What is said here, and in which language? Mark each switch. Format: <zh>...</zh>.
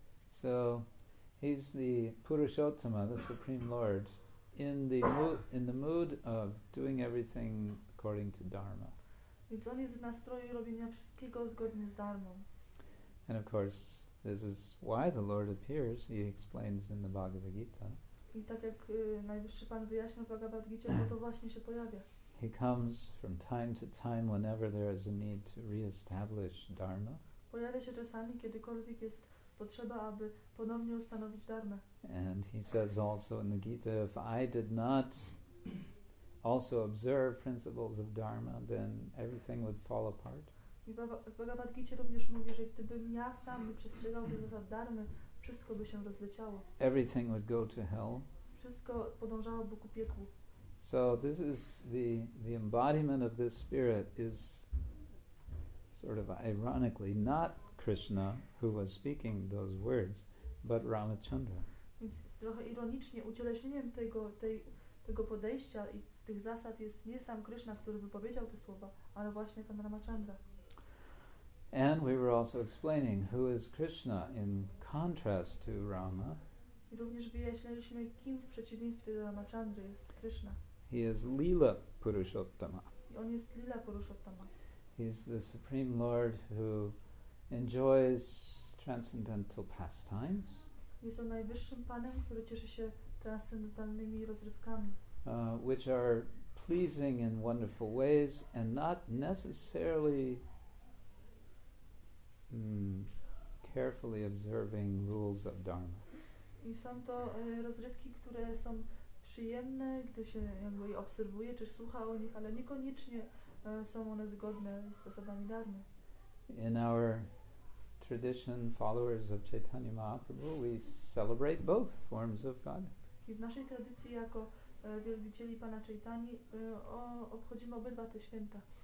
<en>So he's the Purushottama, the Supreme Lord, in the mood of doing everything according to Dharma.</en> <pl>Więc on jest w nastroju robienia wszystkiego zgodnie z Dharmą.</pl> <en>And of course, this is why the Lord appears, he explains in the Bhagavad Gita.</en> <pl>I tak jak najwyższy pan wyjaśnił w Bhagavad Gita, bo to właśnie się pojawia.</pl> <en>He comes from time to time whenever there is a need to re-establish dharma.</en> <pl>Pojawia się czasami, kiedykolwiek jest potrzeba, aby ponownie ustanowić dharmę.</pl> <en>And he says also in the Gita, if I did not also observe principles of dharma, then everything would fall apart.</en> <pl>I w Bhagavad Gita również mówi, że gdybym ja sam nie przestrzegał zasad dharmy, wszystko by się rozleciało.</pl> <en>Everything would go to hell.</en> <pl>Wszystko podążałoby ku piekłu.</pl> <en>So this is the embodiment of this spirit is sort of ironically not Krishna who was speaking those words, but Ramachandra.</en> <pl>Więc trochę ironicznie ucieleśnieniem tego podejścia i tych zasad jest nie sam Krishna, który wypowiedział te słowa, ale właśnie pan Ramachandra.</pl> <en>And we were also explaining who is Krishna in contrast to Rama.</en> <pl>I również wyjaśnialiśmy, kim w przeciwieństwie do Ramachandry jest Krishna.</pl> <en>He is Lila Purushottama.</en> <pl>I on jest Lila Purushottama.</pl> <en>He is the Supreme Lord who enjoys transcendental pastimes.</en> <pl>Jest on najwyższym panem, który cieszy się transcendentalnymi rozrywkami.</pl> <en>Which are pleasing in wonderful ways and not necessarily carefully observing rules of dharma.</en> <pl>I są to rozrywki, które są przyjemne, gdy się jakby obserwuje czy słucha o nich, ale niekoniecznie są one zgodne z zasadami dharmy.</pl> <en>In our tradition, followers of Chaitanya Mahaprabhu, we celebrate both forms of God.</en> <pl>I w naszej tradycji jako wielbicieli Pana Chaitani obchodzimy obydwa te święta.</pl>